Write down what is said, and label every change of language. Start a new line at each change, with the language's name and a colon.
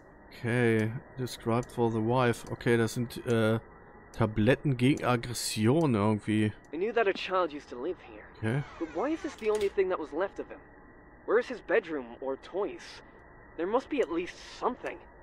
English: Okay, Described for the Wife.
German: Okay, das sind Tabletten gegen Aggression irgendwie.
English: I knew that a child used to live here. Okay. But why is this the only thing that was left of him? Where is his bedroom or toys? There must be at least something.